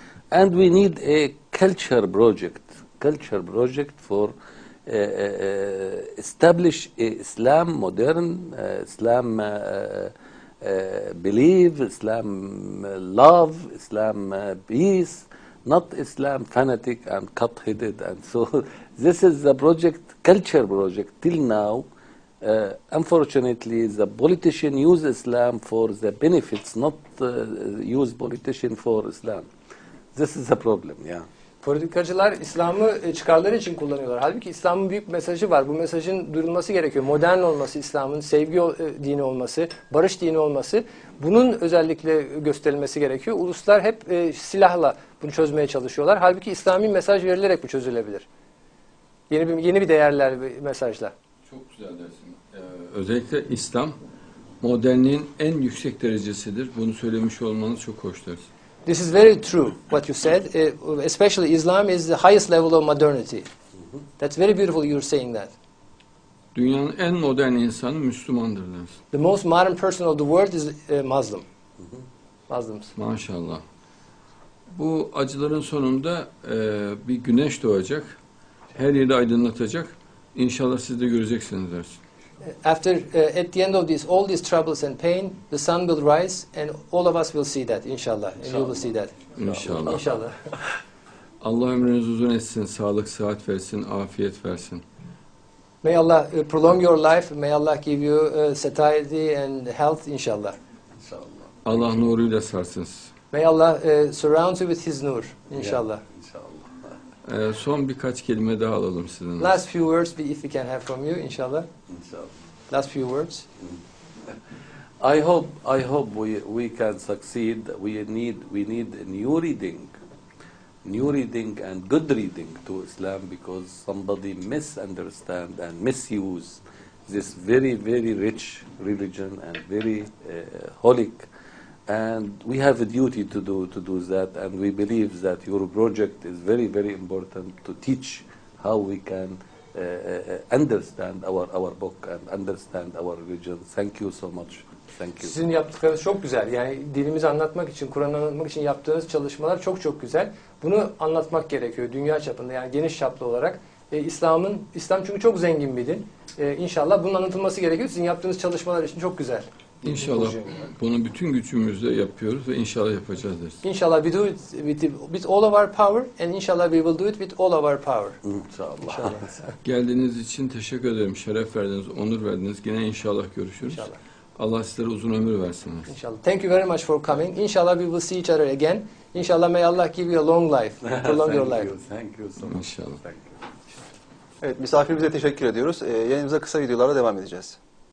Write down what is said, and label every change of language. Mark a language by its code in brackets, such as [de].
[en] And we need a culture project for establish Islam modern, Islam belief, Islam love, Islam peace, not Islam fanatic and cut-headed. And so this is the project, culture project. Till now, unfortunately, the politician use Islam for the benefits, not use politician for Islam. This is a problem, yeah. [tr] Politikacılar İslam'ı çıkarları için kullanıyorlar. Halbuki İslam'ın büyük mesajı var. Bu mesajın duyurulması gerekiyor. Modern olması İslam'ın, sevgi dini olması, barış dini olması. Bunun özellikle gösterilmesi gerekiyor. Uluslar hep silahla bunu çözmeye çalışıyorlar. Halbuki İslami mesaj verilerek bu çözülebilir. Yeni bir değerler, mesajla. Çok güzel dersin. Özellikle İslam, modernliğin en yüksek derecesidir. Bunu söylemiş olmanız çok hoş dersin. [en] This is very true, what you said. Especially Islam is the highest level of modernity. That's very beautiful you're saying that. [tr] Dünyanın en modern insanı Müslümandır deriz. [en] The most modern person of the world is Muslim. Muslims. [tr] Maşallah. bu acıların sonunda bir güneş doğacak, her yeri aydınlatacak. İnşallah siz de göreceksiniz dersin. [en] After at the end of this, all these troubles and pain, the sun will rise and all of us will see that. Inshallah, you will see that. [tr] İnşallah. İnşallah. Allah ömrünüz uzun etsin, sağlık, sıhhat versin, afiyet versin. [en] May Allah prolong your life, may Allah give you satiety and health, inşallah. [tr] İnşallah. Allah nuruyla sarsınız. [en] May Allah surround you with his nur, inşallah. [tr] Son birkaç kelime daha alalım sizden. [en] Last few words if we can have from you, inşallah. [tr] İnşallah. [en] Last few words. I hope we can succeed. We need a new reading. New reading and good reading to Islam, because somebody misunderstand and misuse this very, very rich religion and very holic. And we have a duty to do that, and we believe that your project is very, very important to teach how we can understand our book and understand our religion. Thank you so much. Thank you. [tr] Sizin yaptıklarınız çok güzel. Yani dinimizi anlatmak için, Kur'an'ı anlatmak için yaptığınız çalışmalar çok çok güzel. Bunu anlatmak gerekiyor dünya çapında, yani geniş çaplı olarak. İslam çünkü çok zengin bir din. İnşallah bunun anlatılması gerekiyor. Sizin yaptığınız çalışmalar için çok güzel. İnşallah bunu bütün gücümüzle yapıyoruz ve inşallah yapacağız dersin. [en] İnşallah we do it with all of our power and inşallah we will do it with all of our power. [tr] İnşallah. Geldiğiniz için teşekkür ederim. Şeref verdiniz, onur verdiniz. Yine inşallah görüşürüz. İnşallah. Allah sizlere uzun ömür versin. [en] İnşallah. Thank you very much for coming. İnşallah we will see each other again. İnşallah may Allah give you a long life. Prolong your life. Thank you so much. [tr] İnşallah. Evet, misafirimize teşekkür ediyoruz. Yayınımıza kısa videolarla devam edeceğiz.